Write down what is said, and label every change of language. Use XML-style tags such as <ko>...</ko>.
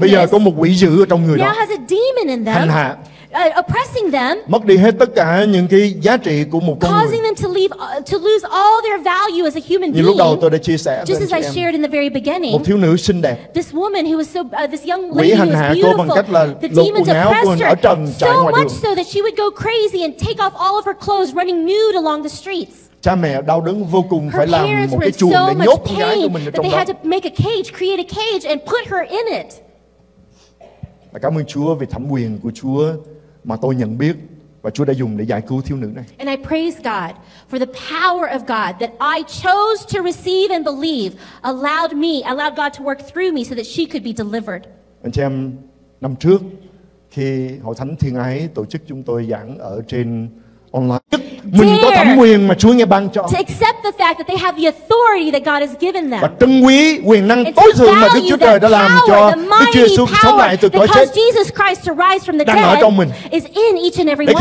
<vi>Bây giờ có một quỷ dữ ở trong người đó.</vi> <en>Now has a demon in them.</en> <vi>Hành hạ.</vi> <en>Oppressing them.</en> <vi>Mất đi hết tất cả những cái giá trị của một con</vi> <en>causing</en> <vi>người.</vi> <en>Causing them to lose all their value as a human</en> <vi>như</vi> <en>being.</en> <vi>Lúc đầu tôi đã chia sẻ.</vi> <en>Just as I shared in the very beginning.</en> <vi>Một thiếu nữ xinh đẹp.</vi> <en>This woman who was so, this young lady</en> <vi>quỷ hành hạ cô bằng cách là lột quần áo của mình ở trần chạy ngoài đường.</vi> <en>So much so that she would go crazy and take off all of her clothes running nude along the streets.</en> <vi>Cha mẹ đau đớn vô cùng phải làm một cái chuồng để nhốt con gái của mình ở trong đó.</vi> <en>They had to make a cage, create a cage and put her in it.</en> <vi>Cảm ơn Chúa vì thẩm quyền của Chúa mà tôi nhận biết và Chúa đã dùng để giải cứu thiếu nữ này.</vi> <en>And I praise God for the power of God that I chose to receive and believe allowed God to work through me so that she could be delivered.</en> <vi>Anh chị em, năm trước khi Hội Thánh Thiên Ái tổ chức chúng tôi giảng ở trên online. Mình có thẩm quyền mà Chúa nghe ban cho.</vi> <en>To accept the fact that they have the authority that God has given them.</en> <vi>Và trân quý quyền năng tối thượng mà Đức Chúa Trời đã làm cho Đức Chúa Jesus sống lại từ cõi chết.</vi> <en>Jesus Christ to rise from the dead.</en> <vi>Đang ở trong mình.</vi> <en>Is in each and every one of us.</en>